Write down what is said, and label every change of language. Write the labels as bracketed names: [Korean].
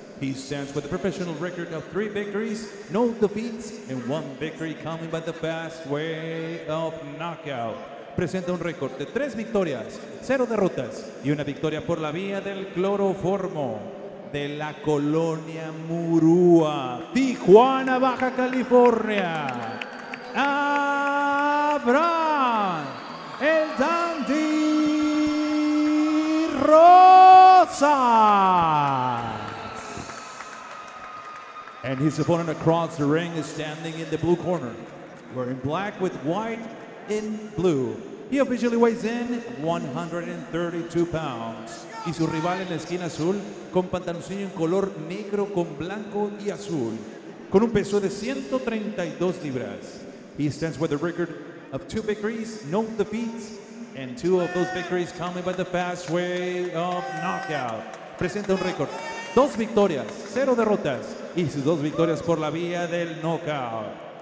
[English] He stands with a professional record of 3 victories, no defeats, and 1 victory coming by the fast way of knockout. [Spanish] Presenta un récord de 3 victorias, 0 derrotas, y una victoria por la vía del cloroformo de la colonia Murúa, Tijuana, Baja California. Abraham, el Dandy Rosa. [English] And his opponent across the ring is standing in the blue corner, wearing black with white in blue. He officially weighs in 132 pounds. [Spanish] Y su rival en la esquina azul, con pantaloncillo en color negro con blanco y azul, con un peso de 132 libras. [English] He stands with a record of 2 victories, no defeats, and 2 of those victories coming by the fast way of knockout. [Spanish] Presenta un récord. 2 victorias, 0 derrotas, y sus 2 victorias por la vía del knockout.